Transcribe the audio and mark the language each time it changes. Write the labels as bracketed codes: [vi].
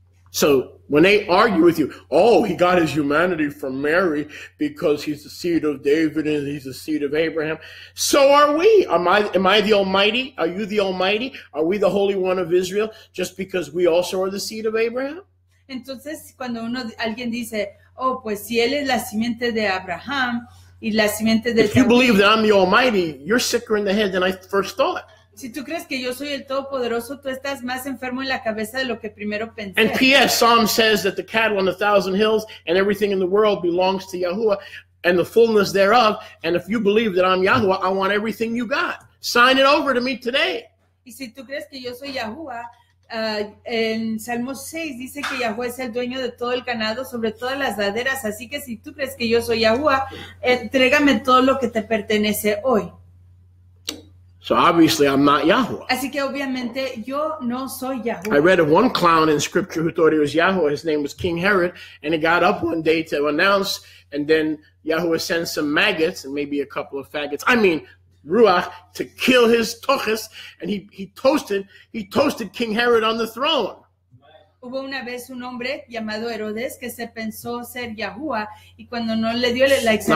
[en] So, when they argue with you, oh, he got his humanity from Mary because he's the seed of David and he's the seed of Abraham. So are we. Am I the Almighty? Are you the Almighty? Are we the Holy One of Israel just because we also are the seed of Abraham? [es] Entonces, cuando alguien dice, oh, pues si él es la simiente de Abraham y la simiente de David. [en] If you believe that I'm the Almighty, you're sicker in the head than I first thought. [es] Si tú crees que yo soy el Todopoderoso, tú estás más enfermo en la cabeza de lo que primero pensé. [en] And P.S. Psalm says that the cattle on 1,000 hills and everything in the world belongs to Yahuwah and the fullness thereof. And if you believe that I'm Yahuwah, I want everything you got. Sign it over to me today. [es] Y si tú crees que yo soy Yahuwah, en Salmo 6 dice que Yahuwah es el dueño de todo el ganado sobre todas las laderas. Así que si tú crees que yo soy Yahuwah, entrégame todo lo que te pertenece hoy. [en] So obviously I'm not Yahuwah. [es] Así que obviamente yo no soy Yahuwah. [en] I read of one clown in scripture who thought he was Yahuwah. His name was King Herod. And he got up one day to announce. And then Yahuwah sent some maggots and maybe a couple of faggots. I mean, Ruach, to kill his tochus. And he toasted King Herod on the throne. [es] Hubo una vez un hombre llamado Herodes que se pensó ser Yahuwah y cuando no le dio la exaltación.